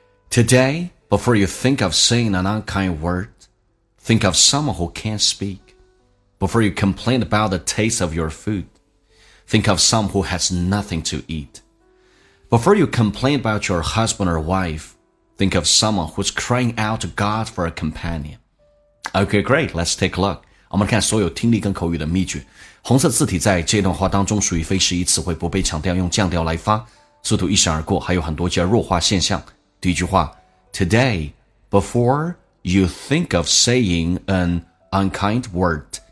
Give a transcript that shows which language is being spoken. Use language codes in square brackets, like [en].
[en] Today, before you think of saying an unkind word, think of someone who can't speak. Before you complain about the taste of your food, think of someone who has nothing to eat. Before you complain about your husband or wife, think of someone who's crying out to God for a companion. Okay, great. Let's take a look. [zh] 我们看所有听力跟口语的秘诀。红色字体在这段话当中属于非适宜词汇，不被强调，用降调来发，速度一闪而过，还有很多加弱化现象。第一句话 [en] ,Today, before you think of saying an unkind word.